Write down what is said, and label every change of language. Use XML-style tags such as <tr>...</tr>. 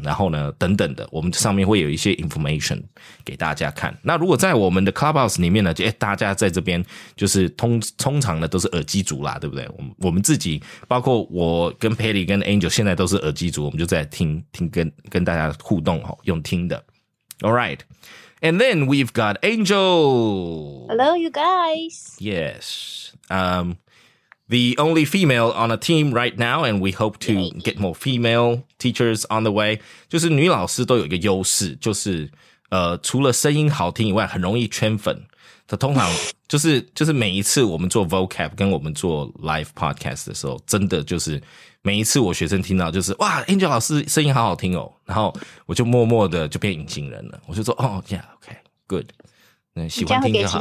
<zh>然后呢，等等的，我们上面会有一些 information 给大家看。那如果在我们的 Clubhouse 里面呢，大家在这边就是通常呢都是耳机族啦，对不对？我们自己包括我跟Patty 跟 Angel 现在都是耳机族，我们就在听跟大家互动，用听的。</zh> <en>Alright, and then we've got Angel. Hello, you guys. Yes, the only female on a team right now, and we hope to get more female teachers on the way.</en> <zh>就是女老师都有一个优势，就是除了声音好听以外，很容易圈粉。他通常就是每一次我们做 vocab 跟我们做 live podcast 的时候，真的就是每一次我学生听到就是哇 ，Angel 老师声音好好听哦，然后我就默默的就变隐形人了。我就说哦 ，Yeah，OK，Good，、okay, 喜欢听就好。</zh>